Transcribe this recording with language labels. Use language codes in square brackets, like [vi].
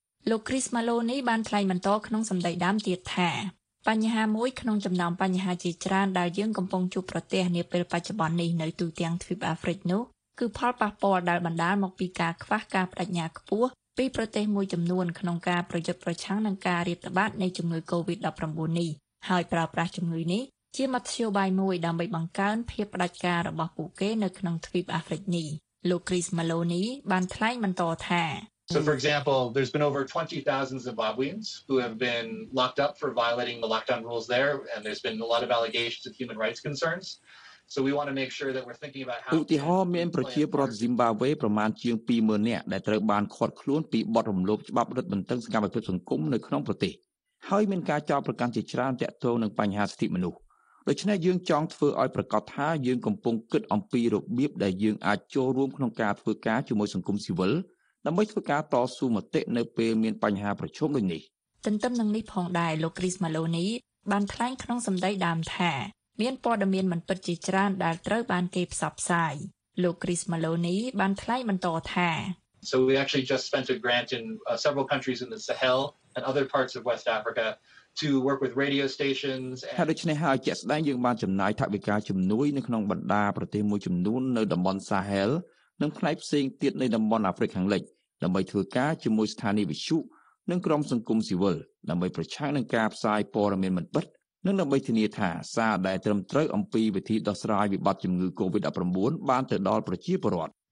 [km] លោក Chris Maloney បានថ្លែងបន្តក្នុងសម្ដីដើមទៀតថាបញ្ហាមួយក្នុងចំណោមបញ្ហាជាច្រើនដែលយើងកំពុងជួបប្រទះនាពេលបច្ចុប្បន្ននេះនៅទូទាំងទ្វីបអាហ្វ្រិកនោះគឺផលប៉ះពាល់ដែលបណ្ដាលមកពីការខ្វះការប្តេជ្ញាខ្ពស់ពីប្រទេសមួយចំនួនក្នុងការប្រយុទ្ធប្រឆាំងនឹងការរាតត្បាតនៃជំងឺ COVID-19 នេះហើយប្រើប្រាស់ជំងឺនេះជាមធ្យោបាយមួយដើម្បីបង្កើនភាពផ្ដាច់ការរបស់ពួកគេនៅក្នុងទ្វីបអាហ្វ្រិកនេះលោក Chris Maloney បានថ្លែងបន្តថា [en] So for example there's been over 20,000 Zimbabweans who have been locked up for violating the lockdown rules there and there's been a lot of allegations of human rights concerns. So we want to make sure that we're thinking about how [km] ឧទាហរណ៍មានប្រជាពលរដ្ឋ Zimbabwe ប្រមាណជាង 20,000 នាក់ដែលត្រូវបានឃាត់ខ្លួនពីបទរំលោភច្បាប់រដ្ឋបន្ទឹងសកម្មភាពសង្គមនៅក្នុងប្រទេសហើយមានការចោទប្រកាន់ជាច្រើនទាក់ទងនឹងបញ្ហាសិទ្ធិមនុស្សដូច្នេះយើងចង់ធ្វើឲ្យប្រកាសថាយើងកំពុងគិតអំពីរបៀបដែលយើងអាចចូលរួមក្នុងការធ្វើការជាមួយសង្គមស៊ីវិលដើម្បីធ្វើការតស៊ូមតិនៅពេលមានបញ្ហាប្រឈមដូចនេះ ទន្ទឹមនឹងនេះផងដែរលោក Chris Maloney បានថ្លែងក្នុងសម្ដីដើមថាមានព័ត៌មានមិនពិតជាច្រើនដែលត្រូវបានគេផ្សព្វផ្សាយលោក Chris Maloney បានថ្លែងបន្តថា [en] So we actually just spent a grant in several countries in the Sahel and other parts of West Africa to work with radio stations and [km] ហើយដូច្នេះហើយជាក់ស្ដែងយើងបានចំណាយថវិកាជំនួយនៅក្នុងបណ្ដាប្រទេសមួយចំនួននៅតំបន់ Sahel និងផ្នែកផ្សេងទៀតនៃតំបន់ Africa ខាងលិចដើម្បីធ្វើការជាមួយស្ថានីយវិទ្យុនិងក្រុមសង្គមស៊ីវិលដើម្បីប្រឆាំងនឹងការផ្សាយព័ត៌មានមិនពិតនឹងដើម្បីធានាថាសារដែលត្រឹមត្រូវអំពីវិធីដោះស្រាយវិបត្តិជំងឺ COVID-19 បានទៅដល់ប្រជាពលរដ្ឋ